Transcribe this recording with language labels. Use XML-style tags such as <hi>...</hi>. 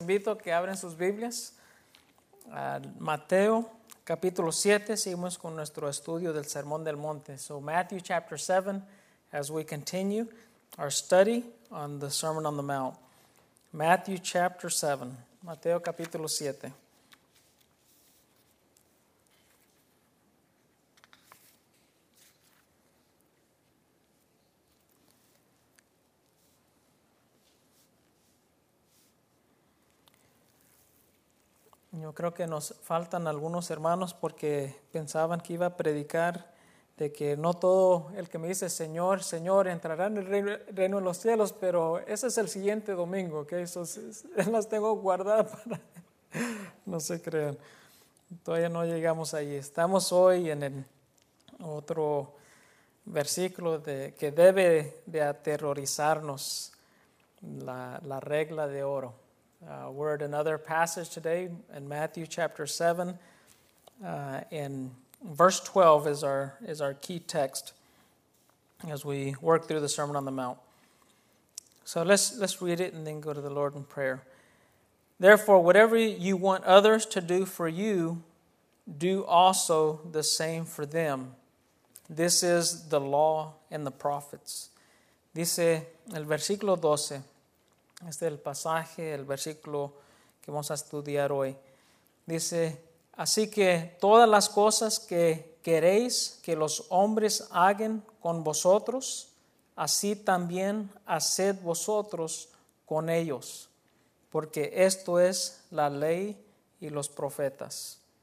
<es>invito a que abren sus Biblias a Mateo capítulo 7. Seguimos con nuestro estudio del Sermón del Monte.</es> <en>So Matthew chapter 7, as we continue our study on the Sermon on the Mount. Matthew chapter 7,</en> <es>Mateo capítulo 7. Yo creo que nos faltan algunos hermanos porque pensaban que iba a predicar de que no todo el que me dice Señor, Señor entrará en el reino de los cielos, pero ese es el siguiente domingo, ¿okay? Las tengo guardadas para, no se crean, todavía no llegamos ahí. Estamos hoy en el otro versículo que debe de aterrorizarnos, la regla de oro.</es> <en>We're at another passage today in Matthew chapter 7, and verse 12 is our key text as we work through the Sermon on the Mount. So let's read it and then go to the Lord in prayer. Therefore, whatever you want others to do for you, do also the same for them. This is the law and the prophets.</en> <es>Dice el versículo 12. Este es el pasaje, el versículo que vamos a estudiar hoy. Dice, así que todas las cosas que queréis que los hombres hagan con vosotros, así también haced vosotros con ellos, porque esto es la ley y los profetas.</es>